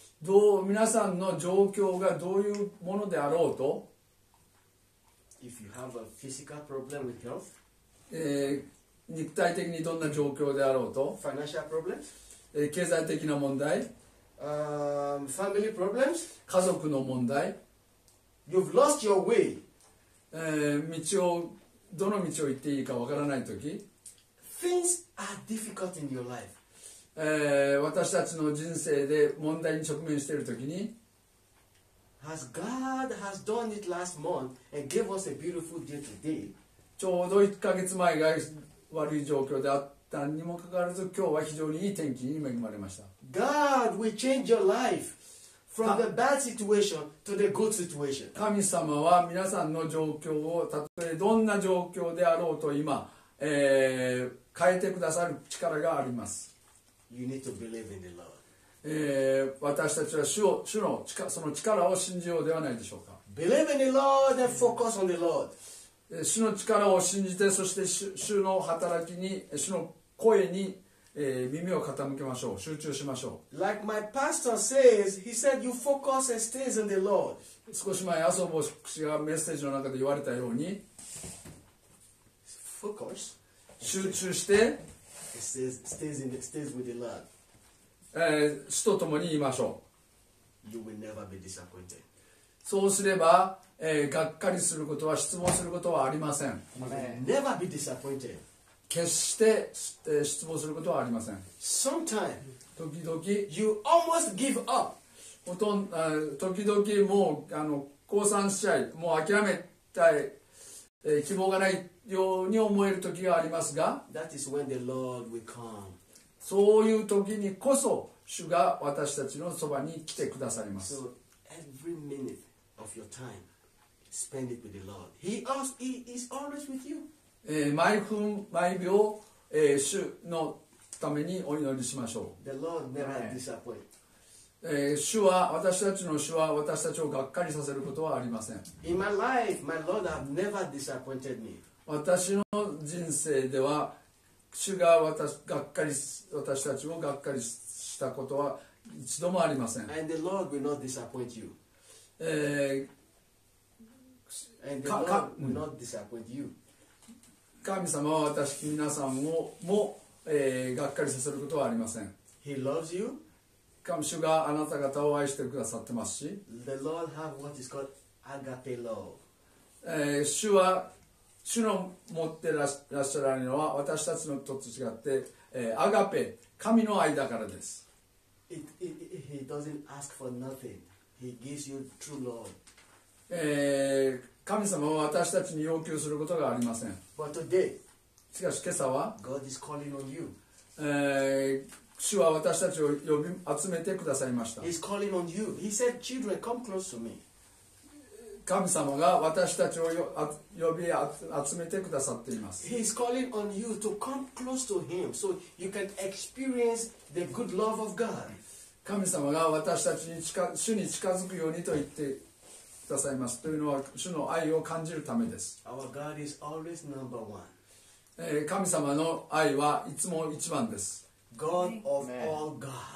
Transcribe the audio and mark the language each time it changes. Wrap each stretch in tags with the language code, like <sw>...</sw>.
<ja>どう皆さんの状況がどういうものであろうと、</ja> <en>if you have a physical problem with health,</en> <ja>肉体的にどんな状況であろうと、</ja> <en>financial problems,</en> <ja>経済的な問題、</ja> <en>family problems,</en> <ja>家族の問題、</ja> <en>you've lost your way,</en> <ja>道をどの道を行っていいかわからないとき。</ja> <en>Things are difficult in your life.</en> <ja>私たちの人生で問題に直面しているときに、</ja> <en>As God has done it last month and gave us a beautiful day today.</en> <ja>ちょうど1ヶ月前が悪い状況であったにもかかわらず、今日は非常にいい天気に恵まれました。</ja> <en>God will change your life from the bad situation to the good situation.</en> <ja>神様は皆さんの状況をたとえどんな状況であろうと今、変えてくださる力があります。</ja> <en>you need to believe in the Lord.</en> <ja>私たちは主のその力を信じようではないでしょうか。</ja> <en>Believe in the Lord and focus on the Lord.</en> <ja>主の力を信じて、そして 主の働きに、主の声に、耳を傾けましょう。集中しましょう。</ja> <en>Like my pastor says, he said you focus and stays in the Lord.</en> <ja>少し前麻生牧師がメッセージの中で言われたように、</ja> <en>Focus.</en> <ja>集中して</ja> <en>stays with the Lord.</en> <ja>主と共に言いましょう。</ja> <en>You will never be disappointed.</en> <ja>そうすれば、がっかりすることは、失望することはありません。</ja> <en>Never be disappointed.</en> <ja>決して、失望することはありません。</ja> <en>Sometimes,</en> <ja>時々</ja> <en>you almost give up.</en> <ja>ほとんど、時々もうあの降参しちゃい、もう諦めたい、希望がないように思える時がありますが、</ja> <en>That is when the Lord will come.</en> <ja>そういう時にこそ主が私たちのそばに来てくださります。</ja> <en>So every minute of your time, spend it with the Lord. He is always with you.</en> <ja>毎分毎秒、主のためにお祈りしましょう。</ja> <en>The Lord never disappoints.</en> <ja>主は、私たちの主は私たちをがっかりさせることはありません。</ja> <en>In my life, my Lord has never disappointed me.</en> <ja>私の人生では主が私たちをがっかりしたことは一度もありません。</ja> <en>And the Lord will not disappoint you. And the Lord will not disappoint you.</en> <ja>神様は私、皆さんも、がっかりさせることはありません。</ja> <en>He loves you.</en> <ja>神主があなた方を愛してくださってますし、</ja> <en>The Lord have what is called agape love.</en> <ja>主は主の持ってらっしゃるのは私たちのと違って、アガペ、神の愛だからです。</ja> <en>He doesn't ask for nothing. He gives you true love.</en> <ja>神様は私たちに要求することがありません。</ja> <en>But today,</en> <ja>しかし今朝は、</ja> <en>God is calling on you.</en> <ja>主は私たちを呼び集めてくださいました。</ja> <en>He's calling on you. He said, children, come close to me.</en> <ja>神様が私たちを呼び集めてくださっています。</ja> <en>He's calling on you to come close to him so you can experience the good love of God.</en> <ja>神様が私たちに主に近づくようにと言ってくださいます。というのは主の愛を感じるためです。</ja> <en>Our God is always number one.</en> <ja>神様の愛はいつも一番です。</ja> <en>God of all God.</en>